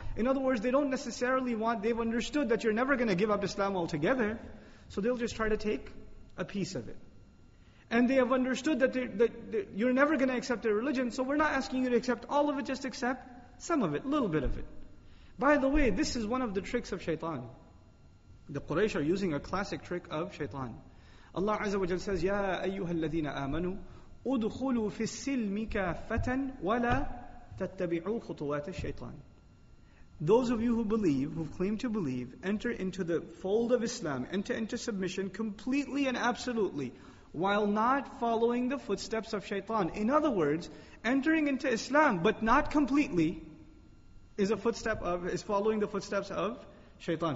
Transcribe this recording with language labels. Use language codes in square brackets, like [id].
[en] In other words, they don't necessarily want, they've understood that you're never going to give up Islam altogether, so they'll just try to take a piece of it. And they have understood that you're never going to accept their religion, so we're not asking you to accept all of it, just accept some of it, a little bit of it. By the way, this is one of the tricks of shaitan. The Quraysh are using a classic trick of shaitan. Allah Azza wa Jalla says, [ar] يَا أَيُّهَا الَّذِينَ آمَنُوا أُدْخُلُوا فِي السِّلْمِ كَافَةً وَلَا تَتَّبِعُوا خُطُوَاتِ الشَّيْطَانِ. [en] Those of you who believe, who claim to believe, enter into the fold of Islam, enter into submission completely and absolutely, while not following the footsteps of shaitan. In other words, entering into Islam, but not completely, is following the footsteps of shaitan.